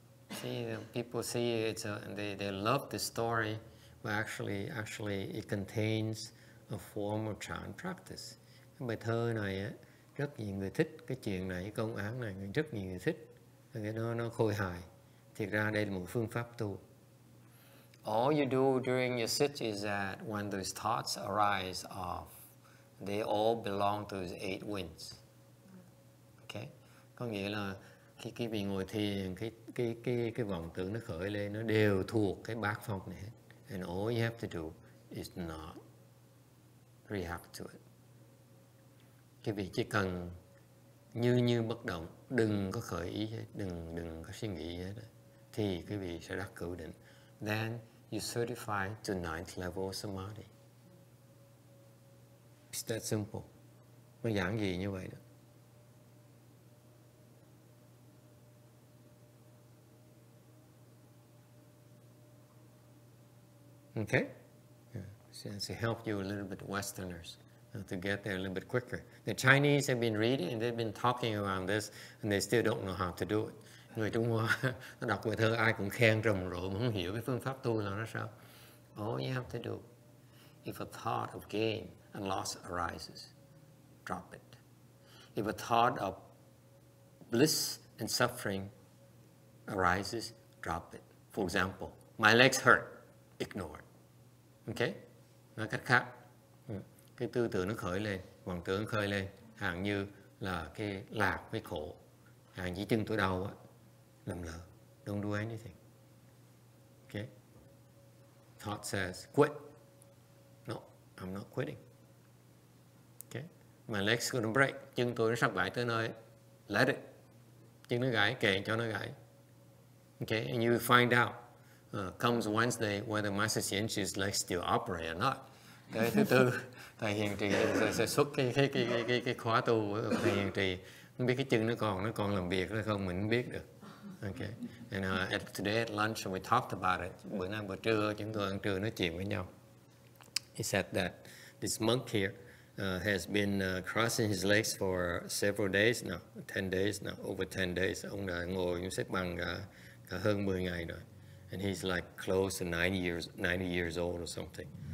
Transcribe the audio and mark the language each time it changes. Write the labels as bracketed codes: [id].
[en] See, people see it, and they love the story, but actually it contains a form of chant practice. [vi] Cái bài thơ này rất nhiều người thích, cái chuyện này, cái công án này rất nhiều người thích. Cái nó khôi hài. Thiệt ra đây là một phương pháp tu. [en] All you do during your sit is that when those thoughts arise off, they all belong to the eight winds. Okay? [vi] Có nghĩa là khi cái vị ngồi thiền, cái vọng tưởng nó khởi lên, nó đều thuộc cái bát phong này hết. [en] And all you have to do is not react to it. [vi] Cái vị chỉ cần như bất động, đừng có khởi ý, đừng có suy nghĩ hết, thì cái vị sẽ đắc cửu định. [en] Then you certify to ninth level samadhi. It's that simple. [vi] Nó giảng gì như vậy đó. [en] Okay? Yeah. So to help you a little bit, Westerners, to get there a little bit quicker. The Chinese have been reading, and they've been talking about this, and they still don't know how to do it. [vi] Người Trung Hoa nó đọc bài thơ ai cũng khen rầm rộ mà không hiểu cái phương pháp tu là nó sao. [en] All you have to do, if a thought of gain and loss arises, drop it. If a thought of bliss and suffering arises, drop it. For example, my legs hurt, ignore it. Okay? [vi] Nói cách khác, cái tư tưởng nó khởi lên, vọng tưởng khởi lên, hạng như là cái lạc với khổ, hạng như chân tôi đau á, làm lỡ. [en] Don't do anything. Okay? Thought says, quit. No, I'm not quitting. Okay? My leg's gonna break. [vi] Chân tôi nó sắp gãy tới nơi. [en] Let it. [vi] Chân nó gãy, kệ cho nó gãy. Okay? [en] And you will find out, comes Wednesday, whether Master Xianqi's leg still operate or not. [vi] Cái thứ tư, thầy Hiền Trì sẽ xuất cái khóa tu của thầy Hiền Trì. Không biết cái chân nó còn làm việc hay không, mình không biết được. [en] Okay, and today at lunch we talked about it. [vi] Bữa nay bữa trưa chúng tôi ăn trưa nói chuyện với nhau. [en] He said that this monk here has been crossing his legs for several days now, 10 days now, over 10 days. [vi] Ông đã ngồi xếp bằng cả hơn 10 ngày rồi. [en] And he's like close to 90 years old or something.